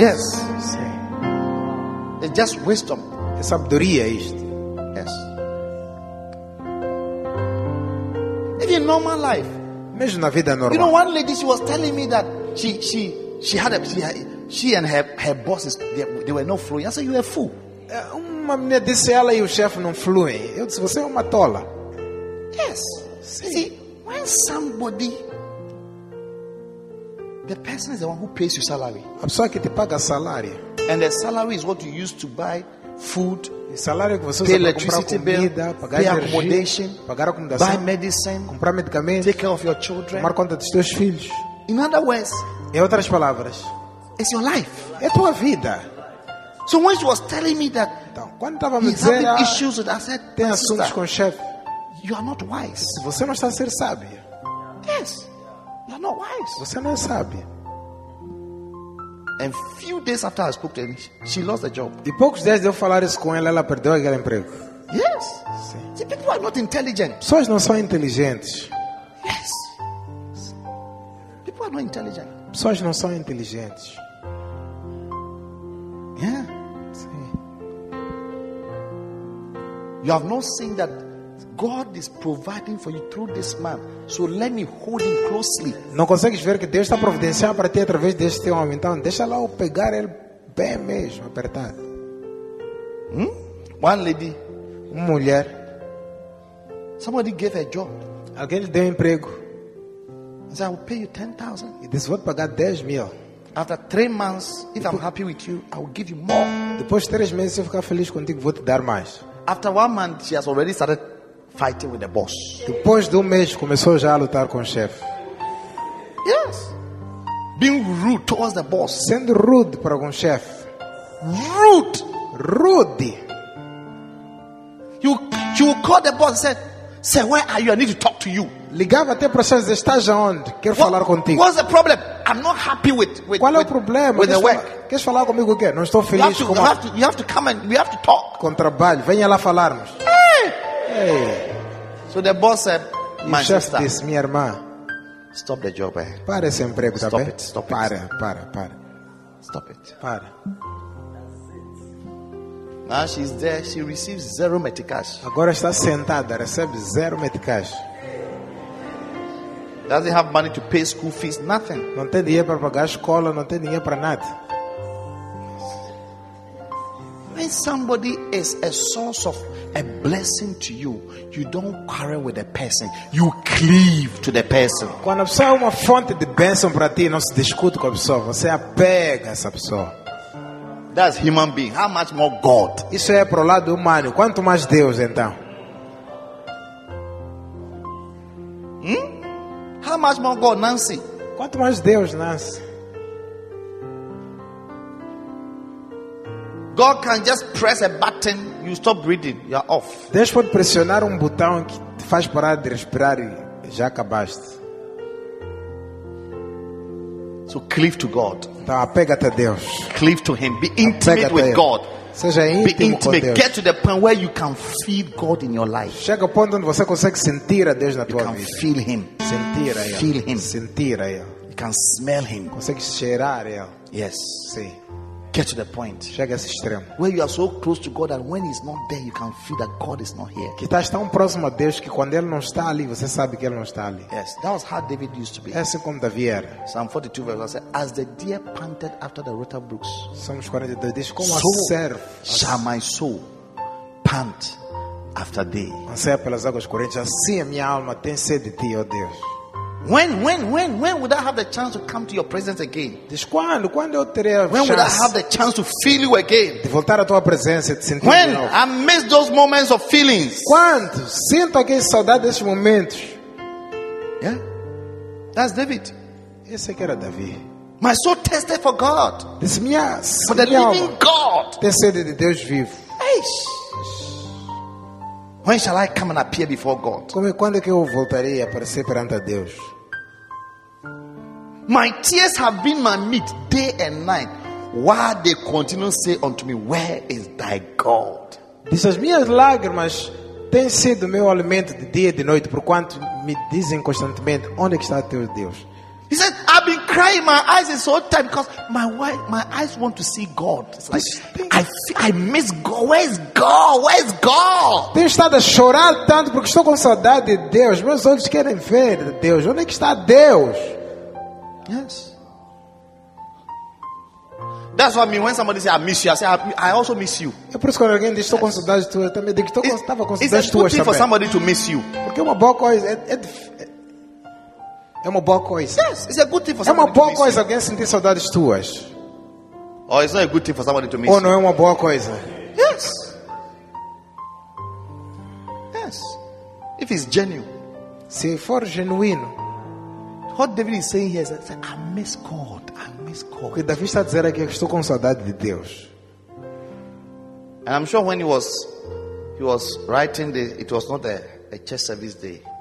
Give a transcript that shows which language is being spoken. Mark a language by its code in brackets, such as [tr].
[en] Yes. It's just wisdom. [pt] É sabedoria isto. [en] Yes. Even normal life. [pt] Mesmo na vida normal. [en] You know, one lady, she was telling me that she and her bosses, they were not fluent. I said, you are a fool. [pt] Uma menina disse, ela e o chefe não fluem. Eu disse, você é uma tola. [en] Yes. [pt] Sim. [en] See, when somebody, the person is the one who pays your salary. [pt] A pessoa que te paga salário. [en] And the salary is what you use to buy food, [pt] salário que você [en] pay electricity bill, [pt] comida, pagar [en] pay accommodation, [pt] pagar acomodação, [en] buy medicine, [pt] comprar medicamentos, [en] take care of your children, [pt] tomar conta dos teus filhos. [en] In other words, [pt] em outras palavras, [en] it's your life. [pt] É tua vida. [en] So when she was telling me that, [pt] então, quando estava me dizendo, [en] having issues with, I said, [pt] tem assuntos [en] sister, [pt] com o chefe, [en] you are not wise. [pt] Você não está a ser sábia. [en] Yes, you are not wise. [pt] Você não é sábia. [en] And few days after I spoke to her, she lost the job. [pt] De poucos dias de eu falar isso com ela, ela perdeu aquele emprego. [en] Yes. [pt] Sim. [en] See, people are not intelligent. [pt] Pessoas não são inteligentes. [en] Yes. People are not intelligent. [pt] Pessoas não são inteligentes. [en] Yeah. [pt] Sim. [en] You have not seen that God is providing for you through this man. So let me hold him closely. [pt] Não consegues ver que Deus está providenciando para ti através deste homem. Então deixa lá eu pegar ele bem mesmo, apertado. [en] One lady. [pt] Uma mulher. [en] Somebody gave her a job. [pt] Alguém lhe deu um emprego. [en] He said, I will pay you 10,000. [pt] E disse, vou te pagar 10 mil. [en] After 3 months, if I'm happy with you, I will give you more. [pt] Depois de 3 meses, se eu ficar feliz contigo, vou te dar mais. [en] After 1 month, she has already started fighting with the boss. [pt] Depois de 1 mês começou já a lutar com o chefe. [en] Yes. Being rude towards the boss. [pt] Sendo rude para algum chefe. [en] Rude. [pt] Rude. [en] You will call the boss and say, sir, where are you? I need to talk to you. [pt] Ligava até para o chefe, estás aonde? Quero falar contigo. [en] What's the problem? I'm not happy with [pt] qual é o problema? [en] With the work. [pt] Queres falar comigo o quê? Não estou feliz com o trabalho. [en] You have to come and we have to talk. [pt] Com trabalho. Venha lá falarmos. [en] Hey. So the boss said, my sister, [pt] disse, minha irmã, [en] stop the job. [pt] Para esse emprego, [en] stop [pt] também. [en] It, stop [pt] para, [en] it. [pt] Para. [en] Stop it. [pt] Para. [en] Now she's there, she receives zero meticash. [pt] Agora está sentada, recebe zero meticash. [en] Doesn't have money to pay school fees, nothing. [pt] Não tem dinheiro para pagar a escola, não tem dinheiro para nada. [en] When somebody is a source of a blessing to you, you don't quarrel with the person, you cleave to the person. [pt] Quando a pessoa é uma fonte de bênção para ti, não se discute com a pessoa, você apega essa pessoa. [en] That's human being. How much more God? [pt] Isso é pro lado humano. Quanto mais Deus, então? [en] How much more God, Nancy? [pt] Quanto mais Deus, Nancy? [en] God can just press a button, you stop breathing, you are off. [pt] Deus pode pressionar botão que te faz parar de respirar e já acabaste. [en] So cleave to God. [pt] Então apega-te a Deus. [en] Cleave to Him. Be intimate with God. [pt] Seja íntimo. [en] Be intimate. [pt] Com Deus. [en] Get to the point where you can feel God in your life. [pt] Chega ao ponto onde você consegue sentir a Deus na tua vida. [en] You can feel Him. [pt] Sentir a Ele. [en] Feel Him. [pt] Sentir a Ele. [en] You can smell Him. [pt] Consegue cheirar a Ele. [en] Yes. [pt] Sim. [en] Get to the point. [pt] Chega a esse extremo. [en] Where you are so close to God that when He's not there, you can feel that God is not here. [pt] Que estás tão próximo a Deus que quando Ele não está ali, você sabe que Ele não está ali. [en] Yes, that was how David used to be. [pt] É assim como Davi era. [en] Psalm 42 verse 1 says, "As the deer panted after the water brooks." [pt] Salmos 42 diz como so a serva. [en] Shall my soul pant after thee? [pt] Anseia pelas águas correntes. Assim a minha alma tem sede de ti, ó Deus. [en] When would I have the chance to come to your presence again? When would I have the chance to feel you again? [pt] De voltar à tua presença, de sentir [en] when I miss those moments of feelings. [pt] Quando sinto aquele saudade desses momentos. [en] Yeah? That's David. [pt] Esse que era Davi. [en] My soul tested for God. For the living God. [pt] Tem sede de Deus vivo. Eish. [en] When shall I come and appear before God? [pt] Como quando é que eu voltarei a aparecer perante a Deus? [en] My tears have been my meat day and night, while they continue to say unto me, "Where is thy God?" [pt] Diz as minhas lágrimas têm sido meu alimento de dia e de noite, porquanto me dizem constantemente, "Onde está teu Deus?" [en] He said, "I've been crying my eyes this whole time because my eyes want to see God. I miss God. Where is God? Where is God?" [pt] Tenho estado a chorar tanto porque estou com saudade de Deus. Meus olhos querem ver Deus. Onde é que está Deus? [en] Yes. That's what I mean when somebody says, "I miss you." I say, "I also miss you." [pt] É por isso que quando alguém diz, "Estou com saudade de tu", eu também digo, "Estava com saudade de tu também." [en] It's a good thing for somebody to miss you. [pt] Porque uma boa coisa é uma boa coisa. [en] Yes, it's a good thing for somebody. [pt] É uma boa coisa alguém sentir saudades tuas. [en] Oh, it's not a good thing for somebody to miss. [pt] Ou não é uma boa coisa. [en] Yes. Yes. If it's genuine. [pt] Se for genuíno. [en] What David is saying here is, "I miss God. I miss God." [pt] Que Davi está a dizer aqui, estou com saudade de Deus. [en] And I'm sure when he was writing this, it was not a church service day.